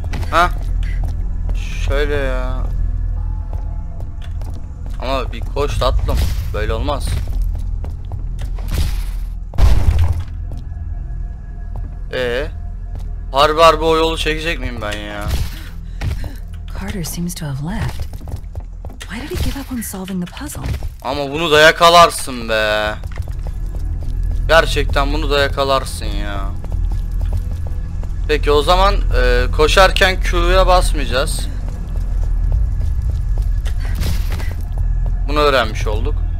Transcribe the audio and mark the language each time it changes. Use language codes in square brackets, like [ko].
[tr] Ha. Şöyle ya. Ama bir koş tatlım. Böyle olmaz. Harbi harbi o yolu çekecek miyim ben ya? [en] Carter seems to have left. Why did he give up on solving the puzzle? [tr] Ama bunu da yakalarsın be. Gerçekten bunu da yakalarsın ya. Peki o zaman koşarken Q'ya basmayacağız. Bunu öğrenmiş olduk.